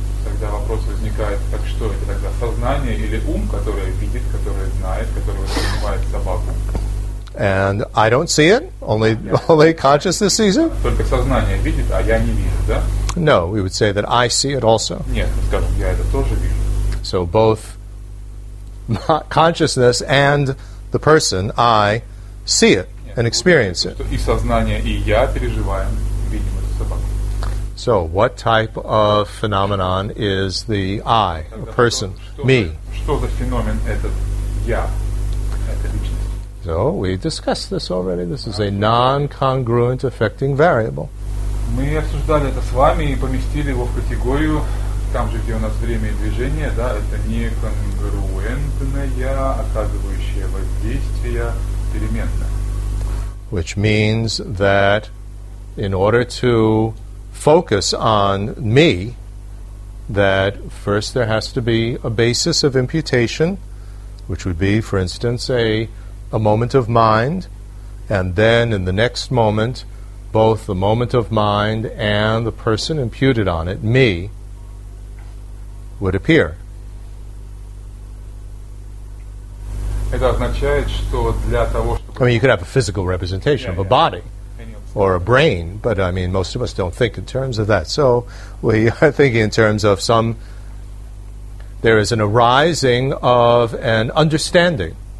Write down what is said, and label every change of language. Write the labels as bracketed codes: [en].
[ru] Тогда вопрос возникает, так что это тогда, сознание или ум, которое видит, которое знает, которое воспринимает собаку? [en] And I don't see it, only consciousness sees it? [ru] Только сознание видит, а я не вижу, да? [en] No, we would say that I see it also. [ru] Нет, мы скажем, я это тоже вижу. [en] So both consciousness and the person, I, see it and experience it. [ru] И сознание, и я переживаем видимость собаку. [en] So what type of phenomenon is the I, a person, me? [ru] Что за феномен этот я, эта личность? [en] So we discussed this already. This is a non-congruent affecting variable. [ru] Мы обсуждали это с вами и поместили его в категорию. Там же, где у нас время и движение, да, это неконгруентная, оказывающая воздействие переменная. [en] Which means that in order to focus on me, that first there has to be a basis of imputation, which would be, for instance, a moment of mind, and then in the next moment, both the moment of mind and the person imputed on it, me, would appear. [ru] Это означает, что для того, чтобы... [en] I mean, you could have a physical representation of a body or a brain, but I mean, most of us don't think in terms of that. So we are thinking in terms of some... There is an arising of an understanding.